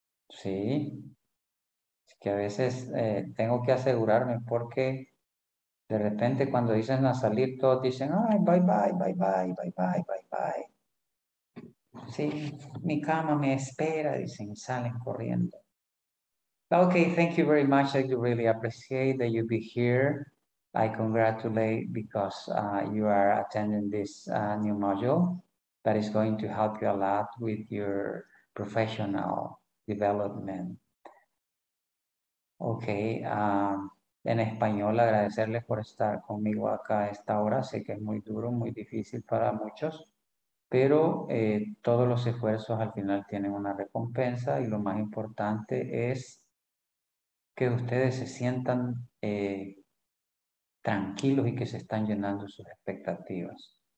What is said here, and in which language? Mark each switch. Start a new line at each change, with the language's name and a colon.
Spanish: Sí. Es que a veces tengo que asegurarme porque de repente cuando dicen a salir, todos dicen, ay,
English: bye, bye, bye, bye, bye, bye, bye, bye.
Spanish: Sí, mi cama me espera, dicen, salen corriendo.
English: Okay, thank you very much. I do really appreciate that you be here. I congratulate because you are attending this new module that is going to help you a lot with your professional development.
Spanish: Okay, en español, agradecerles por estar conmigo acá a esta hora. Sé que es muy duro, muy difícil para muchos, pero todos los esfuerzos al final tienen una recompensa y lo más importante es que ustedes se sientan tranquilos y que se están llenando sus expectativas.